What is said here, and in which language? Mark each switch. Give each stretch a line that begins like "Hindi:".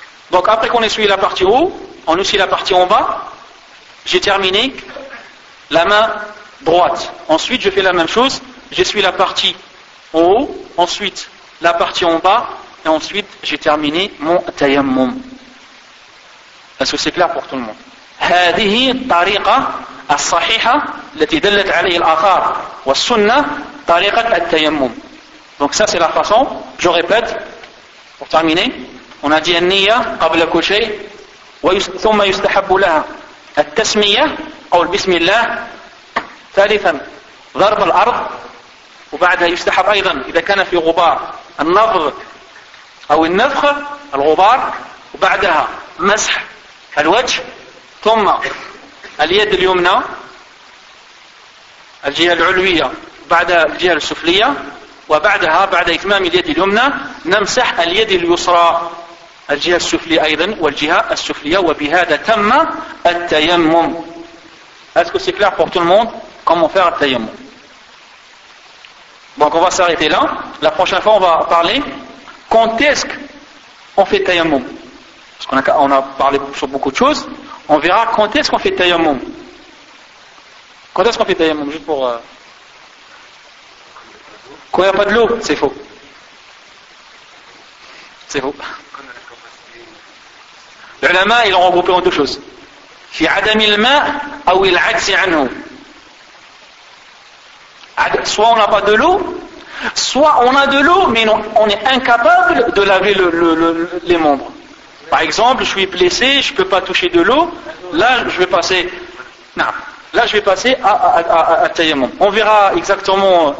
French: Donc après qu'on essuie la partie haut, on essuie la partie en bas, j'ai terminé la main droite. Ensuite je fais la même chose, j'essuie la partie en haut, ensuite la partie en bas, et ensuite j'ai terminé mon tayammum. Est-ce que c'est clair pour tout le monde?
Arabic: هذه الطريقة الصحيحة التي دلت عليه الآثار والسنة طريقة التيمم.
French: Donc ça c'est la façon. Je répète pour terminer. On a dit
Arabic: النية قبل كل شيء ثم يستحب لها التسمية أو بسم الله ثالثا ضرب الأرض، وبعدها يستحب أيضا إذا كان في غبار النفض أو النفخ الغبار، وبعدها مسح الوجه، ثم اليد اليمنى، الجهة العلوية بعد الجهة السفلية، وبعدها بعد إتمام اليد اليمنى نمسح اليد اليسرى، الجهة السفلية أيضا والجهة السفلية، وبهذا تم التيمم.
French: Est-ce que c'est clair pour tout le monde comment faire le tayammum? Donc on va s'arrêter là. La prochaine fois on va parler quand est-ce qu'on fait tayammum. Parce qu'on a parlé sur beaucoup de choses. On verra quand est-ce qu'on fait tayammum. Quand est-ce qu'on fait tayammum? Juste pour... Quand il n'y a pas de l'eau, c'est faux. C'est faux. Les ulama, ils l'ont regroupé en deux choses.
Arabic: في عدم الماء أو العجز عنه.
French: Soit on n'a pas de l'eau, soit on a de l'eau, mais on est incapable de laver les membres. Par exemple, je suis blessé, je ne peux pas toucher de l'eau. Là, je vais passer. Non. Là, je vais passer à tayammum. On verra exactement.